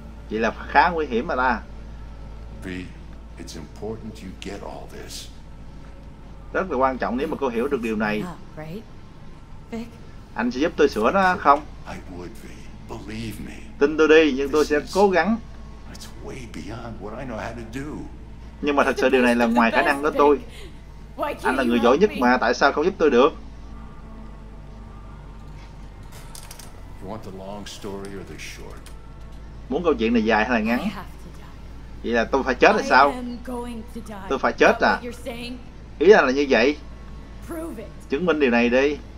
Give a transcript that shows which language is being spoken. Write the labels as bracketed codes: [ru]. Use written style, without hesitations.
[vi] Vậy là khá nguy hiểm mà ta. [en] V, it's important you get all this. [vi] Rất là quan trọng nếu mà cô hiểu được điều này. Anh sẽ giúp tôi sửa nó không? [en] Believe me. [vi] Tin tôi đi, nhưng tôi sẽ cố gắng. [en] It's way beyond what I know how to do. [vi] Nhưng mà thật sự điều này là ngoài khả năng của tôi. Anh là người giỏi nhất mà, tại sao không giúp tôi được? [en] You want the long story or the short? [vi] Muốn câu chuyện này dài hay là ngắn? Vậy là tôi phải chết hay sao? Tôi phải chết à? Ý là như vậy. Chứng minh điều này đi.